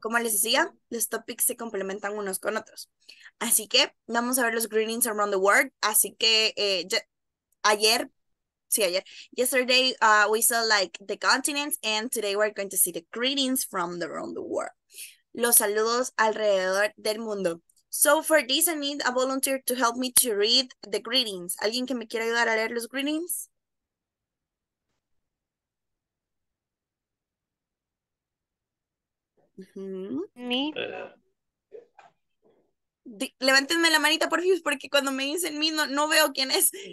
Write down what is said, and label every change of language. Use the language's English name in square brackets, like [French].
[Spanish] Como les decía, los topics se complementan unos con otros. Así que vamos a ver los [English] greetings around the world. [Spanish] Así que ayer, [English] yesterday we saw like the continents, and today we're going to see the greetings from around the world. [Spanish] Los saludos alrededor del mundo. [English] So for this, I need a volunteer to help me to read the greetings. [Spanish] ¿Alguien que me quiera ayudar a leer los greetings? [English] Me. [Spanish] Levántenme la manita, por favor, porque cuando me dicen me, no veo quién es.